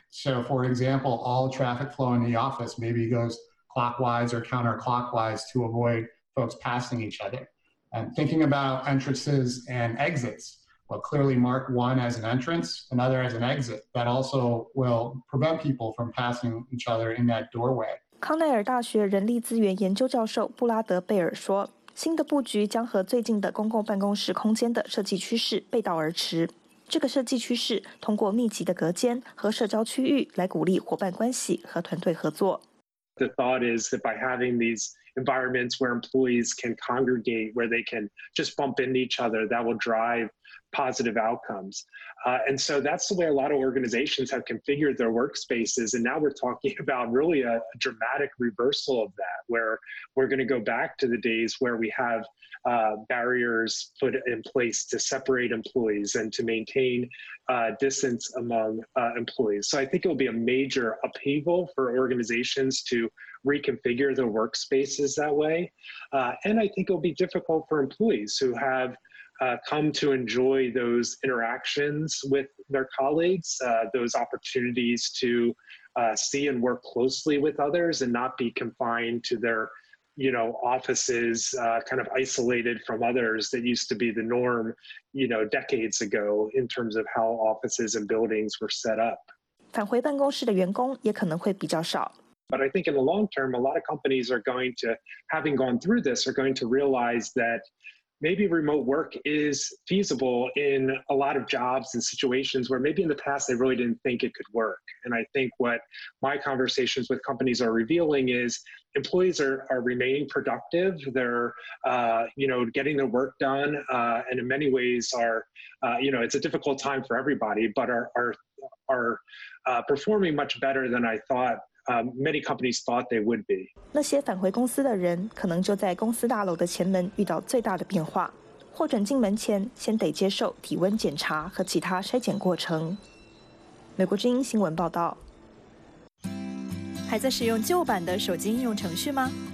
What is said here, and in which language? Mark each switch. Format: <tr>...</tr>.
<en>So for example, all traffic flow in the office maybe goes clockwise or counterclockwise to avoid folks passing each other. And thinking about entrances and exits, we'll clearly mark one as an entrance, another as an exit. That also will prevent people from passing each other in that doorway.</en> <zh>康奈尔大学人力资源研究教授布拉德贝尔说，新的布局将和最近的公共办公室空间的设计趋势背道而驰。这个设计趋势通过密集的隔间和社交区域来鼓励伙伴关系和团队合作。</zh> <en>The thought is that by having these environments where employees can congregate, where they can just bump into each other, that will drive positive outcomes. And so that's the way a lot of organizations have configured their workspaces. And now we're talking about really a dramatic reversal of that, where we're going to go back to the days where we have barriers put in place to separate employees and to maintain distance among employees. So I think it will be a major upheaval for organizations to reconfigure their workspaces that way. And I think it'll be difficult for employees who have come to enjoy those interactions with their colleagues, those opportunities to see and work closely with others and not be confined to their, you know, offices, kind of isolated from others, that used to be the norm, you know, decades ago in terms of how offices and buildings were set up.</en> <zh>返回办公室的员工也可能会比较少。</zh> <en>But I think in the long term, a lot of companies are going to, having gone through this, are going to realize that maybe remote work is feasible in a lot of jobs and situations where maybe in the past they really didn't think it could work. And I think what my conversations with companies are revealing is employees are remaining productive. They're, you know, getting their work done. And in many ways are, you know, it's a difficult time for everybody, but are performing much better than I thought. Many companies thought they would be.</en> <zh>那些返回公司的人可能就在公司大楼的前门遇到最大的变化。获准进门前先得接受体温检查和其他筛检过程。美国之音新闻报道。还在使用旧版的手机应用程序吗？</zh>